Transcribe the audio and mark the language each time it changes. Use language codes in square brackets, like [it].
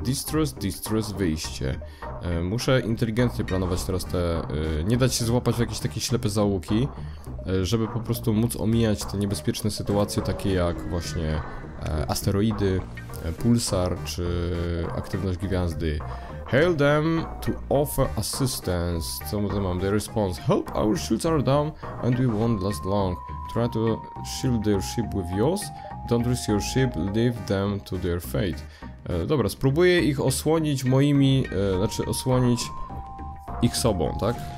[pl] Distress, wyjście. Muszę inteligentnie planować teraz te... nie dać się złapać w jakieś takie ślepe zaułki, żeby po prostu móc omijać te niebezpieczne sytuacje, takie jak właśnie asteroidy, pulsar czy aktywność gwiazdy. [en] Hail them to offer assistance. [pl] Co my tam mamy? [en] The response. Help, our shields are down and we won't last long. Try to shield their ship with yours. Don't risk your ship, leave them to their fate. [pl] Dobra, spróbuję ich osłonić moimi, znaczy osłonić ich sobą, tak?